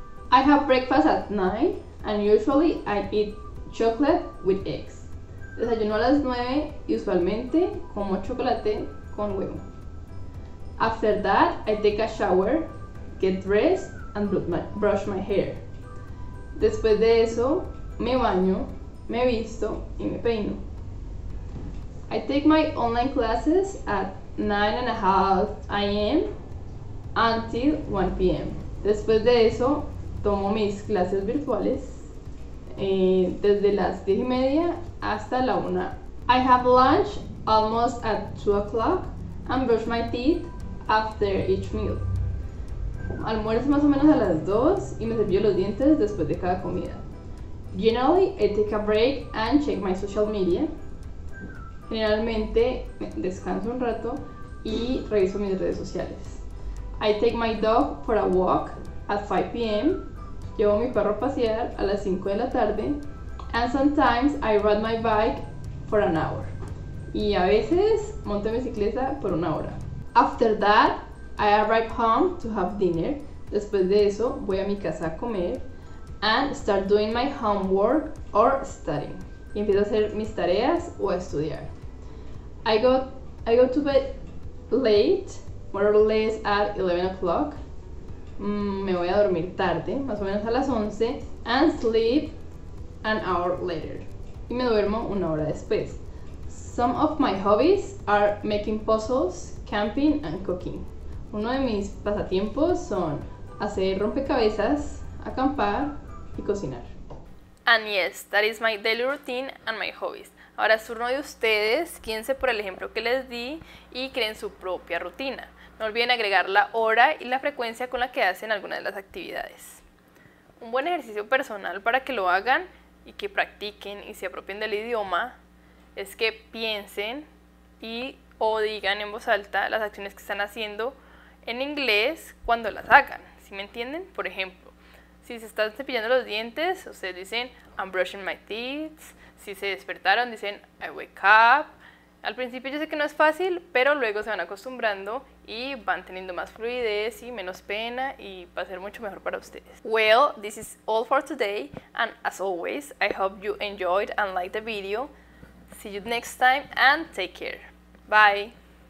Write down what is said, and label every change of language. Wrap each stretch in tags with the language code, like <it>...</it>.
<en>I have breakfast at 9, and usually I eat chocolate with eggs.</en> <es>Desayuno a las 9 y usualmente como chocolate con huevo.</es> <en>After that, I take a shower, get dressed, and brush my hair.</en> <es>Después de eso, me baño, me visto y me peino.</es> <en>I take my online classes at 9:30 a.m. until 1 p.m.</en> <es>Después de eso, tomo mis clases virtuales desde las 10:30 hasta la 1.</es> <en>I have lunch almost at 2 o'clock and brush my teeth after each meal.</en> <es>Almuerzo más o menos a las 2 y me cepillo los dientes después de cada comida.</es> <en>Generally, I take a break and check my social media.</en> <es>Generalmente descanso un rato y reviso mis redes sociales.</es> <en>I take my dog for a walk at 5 p.m.</en> <es>Llevo mi perro a pasear a las 5 de la tarde.</es> <en>And sometimes I ride my bike for an hour.</en> <es>Y a veces monto bicicleta por una hora.</es> <en>After that, I arrive home to have dinner.</en> <es>Después de eso, voy a mi casa a comer.</es> <en>And start doing my homework or studying.</en> <es>Y empiezo a hacer mis tareas o a estudiar.</es> <en>I go to bed late, more or less at 11 o'clock.</en> <es>Me voy a dormir tarde, más o menos a las 11,</es> <en>and sleep an hour later.</en> <es>Y me duermo una hora después.</es> <en>Some of my hobbies are making puzzles, camping, and cooking.</en> <es>Uno de mis pasatiempos son hacer rompecabezas, acampar y cocinar.</es> <en>And yes, that is my daily routine and my hobbies.</en> <es>Ahora es turno de ustedes, piense por el ejemplo que les di y creen su propia rutina. No olviden agregar la hora y la frecuencia con la que hacen algunas de las actividades. un buen ejercicio personal para que lo hagan y que practiquen y se apropien del idioma es que piensen y o digan en voz alta las acciones que están haciendo en inglés cuando las hagan. ¿Sí me entienden? Por ejemplo, si se están cepillando los dientes, ustedes dicen</es> <en>I'm brushing my teeth.</en> <es>Si se despertaron, dicen</es> <en>I wake up.</en> <es>Al principio yo sé que no es fácil, pero luego se van acostumbrando y van teniendo más fluidez y menos pena y va a ser mucho mejor para ustedes.</es> <en>Well, this is all for today, and as always, I hope you enjoyed and liked the video. See you next time and take care. Bye!</en>